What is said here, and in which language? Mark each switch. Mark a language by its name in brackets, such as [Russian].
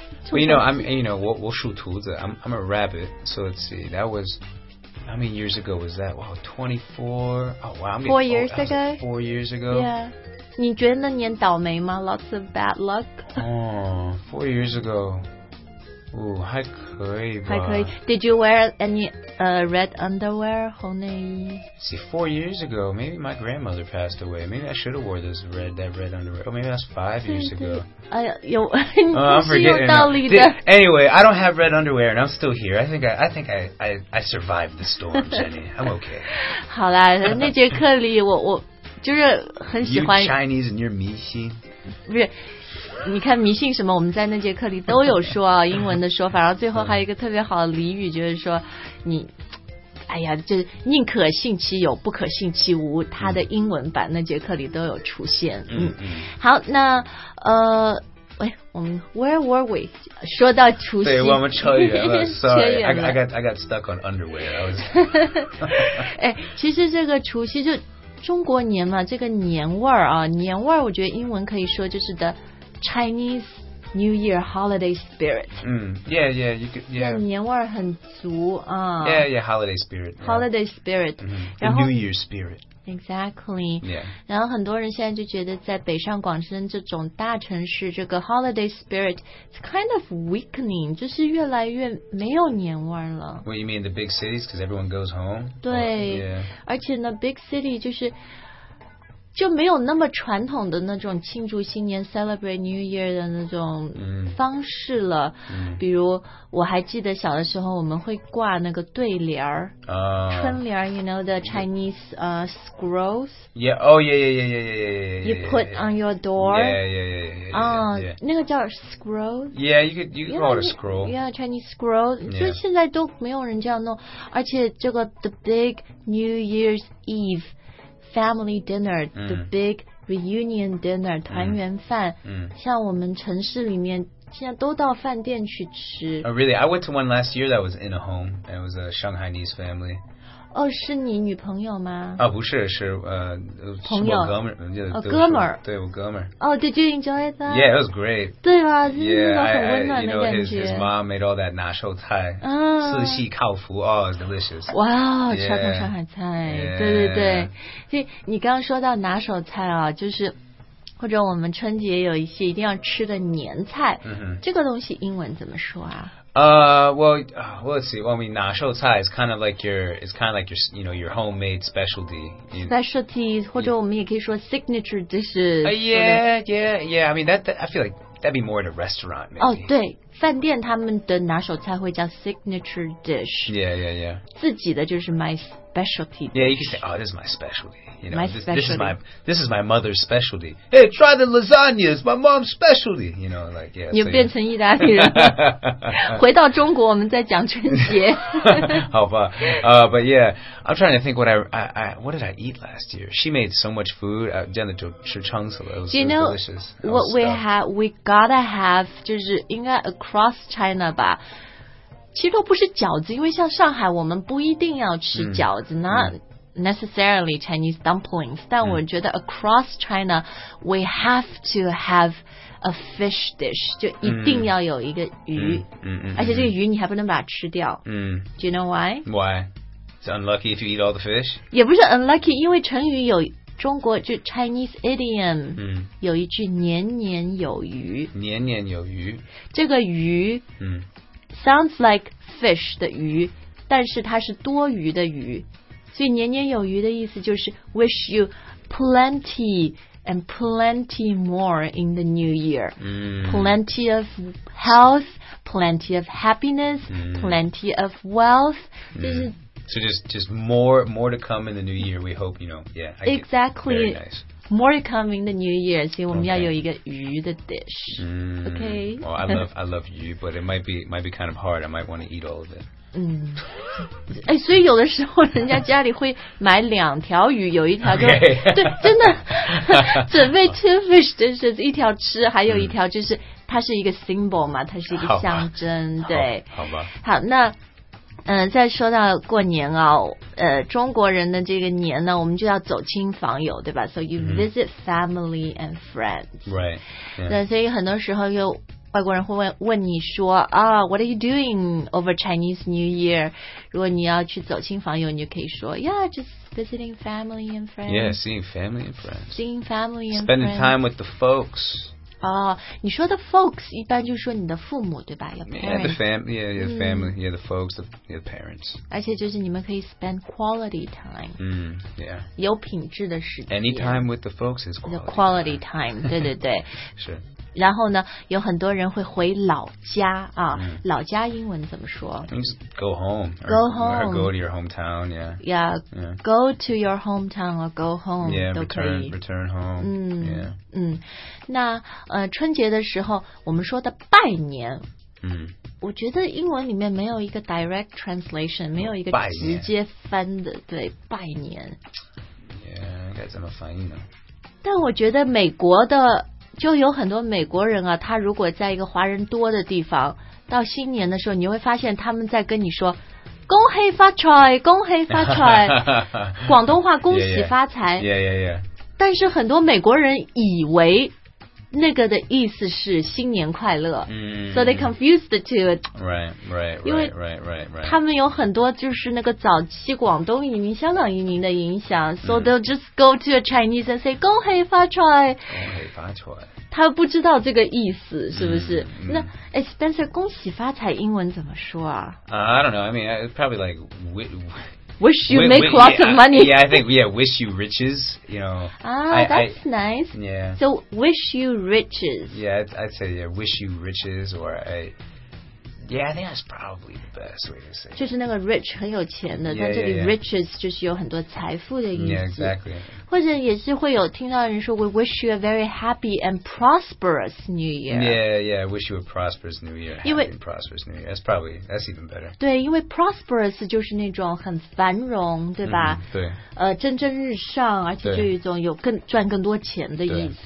[English] Well, you know, I'm [Chinese] 属兔子 [English] I'm a rabbit. So let's see. That was, how many years ago was that? Wow, 24. Oh, wow. 4 years ago. 4 years ago. Yeah. [Chinese] 你觉得那年倒霉吗 [English] Lots of bad luck [Chinese] 哦、 [English] 4 years ago [Chinese] 哦还可以吧还可以 [English] Did you wear any、red underwear 红内衣 See 4 years ago Maybe my grandmother passed away Maybe I should have wore this red, that red underwear Oh maybe that's 5 years ago [Chinese] 你是有道理的 [English] Anyway I don't have red underwear And I'm still here I think I survived the storm Jenny I'm okay [Chinese] 好啦那节课里我就是很喜欢 [English] You Chinese and you're 迷信 [Chinese] 不是你看迷信什么我们在那节课里都有说啊英文的说法然后最后还有一个特别好的俚语就是说你哎呀就是宁可信其有不可信其无它的英文版那节课里都有出现 嗯好那喂我们 [English] Where were we [Chinese] 说到除夕对我们扯远了 [English] Sorry I got stuck on underwear I was [Chinese] 哎其实这个除夕就中国年嘛这个年味儿啊年味儿我觉得英文可以说就是 [English] the Chinese New Year Holiday Spirit 嗯 yeah [Chinese] 年味儿很足啊 [English] Holiday Spirit Holiday Spirit、 mm-hmm. New Year Spirit Exactly yeah [Chinese] 然后很多人现在就觉得在北上广深这种大城市这个 [English] Holiday Spirit is kind of weakening [Chinese] 就是越来越没有年味了 [English] What you mean the big cities because everyone goes home [Chinese] 对、 [English] yeah. [Chinese] 而且呢 big city 就是就没有那么传统的那种庆祝新年 [English] celebrate New Year [Chinese] 的那种方式了。比如我还记得小的时候我们会挂那个对联儿，春联 ， [English] you know the Chinese scrolls. Yeah. You put on your door. Yeah. [Chinese] 那个叫 scrolls. [English] Yeah, you call it a scroll. Yeah, Chinese scrolls. [Chinese] 就现在都没有人这样弄，而且这个 [English] the big New Year's Eve. Family dinner, the big reunion dinner, [Chinese] 团圆饭像我们城市里面现在都到饭店去吃 [English] Oh really, I went to one last year that was in a home and it was a Shanghainese family [Chinese] 哦是你女朋友吗哦不是是朋友是哥们儿对我哥们儿 [English] 哦 did you enjoy that? Yeah, it was great [Chinese] 对吧就是那种很温暖的感觉 [English] yeah, his mom made all that [Chinese] 拿手菜四喜烤麸 [English] Oh, it's delicious [Chinese] Wow, 传统上海菜 [English] yeah, [Chinese] 对对对所以你刚刚说到拿手菜啊就是或者我们春节有一些一定要吃的年菜、 [English] mm-hmm. [Chinese] 这个东西英文怎么说啊 [English] well, let's see. Well, I mean, 拿手菜 is kind of like your, it's kind of like your, you know, your homemade specialty. [Chinese] Specialty, 或者我们也可以说 signature dishes. [English] Yeah. I mean, that I feel like that'd be more in a restaurant, maybe. [Chinese] Oh, 对，饭店他们的拿手菜会叫 signature dish. [English] Yeah. [Chinese] 自己的就是 [English] my specialty dish. Yeah, you can say, oh, this is my specialty. You know, my specialty. This is my mother's specialty. Hey, try the lasagna. It's my mom's specialty. You know, like, yeah. [Chinese] 你变成意大利人。回到中国我们再讲春节。好吧。 [English] But yeah, I'm trying to think what did I eat last year? She made so much food. I didn't eat so much food. It was delicious. Do you know what we have? We gotta have, [Chinese] 就是应该 [English] across China 吧。 [Chinese] 其实都不是饺子因为像上海我们不一定要吃饺子那。 [English] Necessarily Chinese dumplings, [Chinese] 但我觉得 across China, [English] we have to have a fish dish, [Chinese] 就一定要有一个鱼，而且这个鱼你还不能把它吃掉。 [English] Do you know why? Why? It's unlucky if you eat all the fish? [Chinese] 也不是 unlucky, 因为成语有中国就 Chinese idiom, 有一句年年有余。年年有余。这个鱼 [English] sounds like fish [Chinese] 的鱼，但是它是多余的鱼。所以年年有余的意思就是 [English] wish you plenty and plenty more in the new year. Plenty of health, plenty of happiness, plenty of wealth. So just more to come in the new year, we hope, you know. Yeah, exactly. Very nice. More coming the New Year, [Chinese] 所以我们要有一个鱼的 [English] dish. Okay. Well, I love you, but it might be kind of hard. I might want to eat all of it. [Chinese] 哎，所以有的时候人家家里会买两条鱼，有一条就、 [English] okay. [Chinese] 对，真的准备 [English] two fish dishes， [Chinese] 一条吃，还有一条就是它是一个 symbol 嘛，它是一个象征，对好吧。好，那。再说到过年啊、哦、中国人的这个年呢我们就要走亲访友对吧 [English] So you visit family and friends Right、yeah. [Chinese] 那所以很多时候就外国人会 问你说啊、 [English] oh, What are you doing over Chinese New Year? [Chinese] 如果你要去走亲访友，你就可以说 [English] Yeah, just visiting family and friends. Yeah, seeing family and friends. Seeing family and Spending friends. Spending time with the folks. [Chinese] 哦、oh, ，你说的 folks 一般就是说你的父母对吧 ？ [English] Your parents. Yeah, the family. Yeah, your family.、Mm. Yeah, the folks. Your parents. [Chinese] 而且就是你们可以 [English] spend quality time. 嗯、mm, ，Yeah. [Chinese] 有品质的时间。 [English] Any time with the folks is quality. The quality time. [Chinese] 对对对。是。然后呢，有很多人会回老家啊。 Mm. 老家英文怎么说 [English] ？Go home. Go home. Or go to your hometown. Yeah. Yeah. Yeah. Go to your hometown or go home. Yeah. Return home. [Chinese] 嗯。 [English] Yeah. [Chinese] 嗯，那春节的时候，我们说的拜年。嗯、 [English] mm.。 [Chinese] 我觉得英文里面没有一个 [English] direct translation， [Chinese] 没有一个直接翻的，对，拜年。 Yeah， 该怎么翻译呢？但我觉得美国的。就有很多美国人啊，他如果在一个华人多的地方，到新年的时候，你会发现他们在跟你说“恭喜发财，恭喜发财”，广东话“恭喜发财”。 [English] Yeah, yeah, yeah. [Chinese] 但是很多美国人以为那个的意思是“新年快乐”。 [English] Mm. So they confused the two. Right, right, right. [Chinese] 他们有很多就是那个早期广东移民、香港移民的影响。 [English] So they'll just go to a Chinese and say 恭喜发财。 [Chinese] 他不知道这个意思是不是、mm, mm. 那 Spencer 恭喜发财英文怎么说啊、 [English] I don't know. I mean, it's probably like wish you make lots of money. Yeah, I think, yeah, wish you riches, you know. Ah, that's nice. Yeah. So, wish you riches. Yeah, I'd say, yeah, wish you riches, or I think that's probably the best way to say it. [Chinese] 就是那个 rich 很有钱的，但这里 riches 就是有很多财富的意思。 [English] Yeah, exactly. [Chinese] 或者也是会有听到人说 [English] we wish you a very happy and prosperous new year. Yeah, yeah, I wish you a prosperous new year. Happy and prosperous new year. That's even better. [Chinese] 对，因为 prosperous 就是那种很繁荣，对吧？嗯、对。蒸蒸日上，而且就有一种有更赚更多钱的意思。